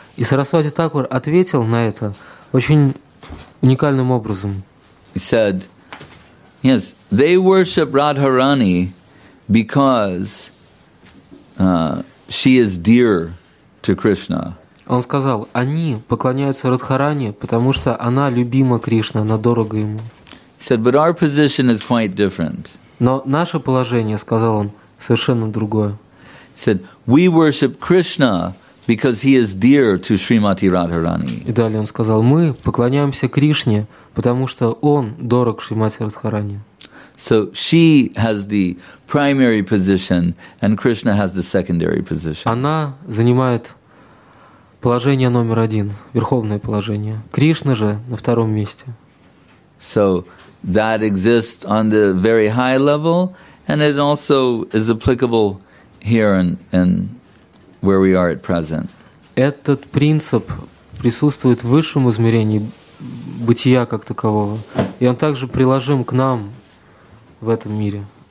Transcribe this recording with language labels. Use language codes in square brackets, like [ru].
[ru] И Сарасвати Такур ответил на это очень уникальным образом. [en] He said, yes, they worship Radharani because she is dear to Krishna. [ru] Он сказал, они поклоняются Радхарани, потому что она любима Кришна, она дорога ему. [en] He said, but our position is quite different. [ru] Но наше положение, сказал он, совершенно другое. [en] He said, we worship Krishna because he is dear to Srimati Radharani. [ru] И далее он сказал, мы поклоняемся Кришне, потому что он дорог Шримати Радхарани. [en] So she has the primary position and Krishna has the secondary position. [ru] Она занимает положение номер один, верховное положение. Кришна же на втором месте. [en] So that exists on the very high level and it also is applicable here in where we are at present. [ru] Этот принцип присутствует в высшем измерении бытия как такового. И он также приложим к нам в этом мире.